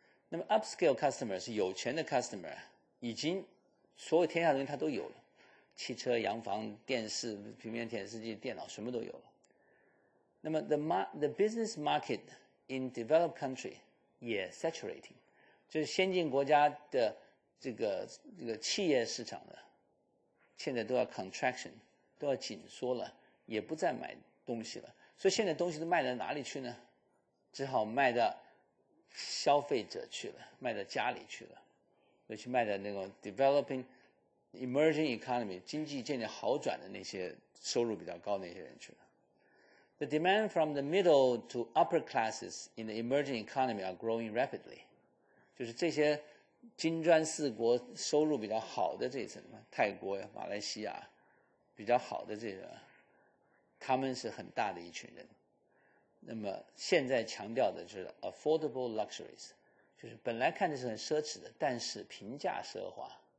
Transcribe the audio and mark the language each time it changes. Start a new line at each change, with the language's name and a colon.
Chinese: 那么
English: upscale customer
Chinese: 是有钱的 customer， 已经所有天下的东西他都有了，汽车、洋房、电视、平面电视机、电脑什么都有了。那么
English: the business market in developed country
Chinese: 也
English: saturating，
Chinese: 就是先进国家的这个企业市场呢，现在都要
English: contraction，
Chinese: 都要紧缩了，也不再买东西了。所以现在东西都卖到哪里去呢？只好卖到消费者去了，卖到家里去了，尤其卖到那种
English: developing emerging economy
Chinese: 经济渐渐好转的那些收入比较高的那些人去了。
English: The demand from the middle to upper classes in the emerging economy are growing rapidly。
Chinese: 就是这些金砖四国收入比较好的这一层，泰国、马来西亚比较好的这个，他们是很大的一群人。那么现在强调的就是
English: affordable luxuries，
Chinese: 就是本来看的是很奢侈的，但是平价奢华。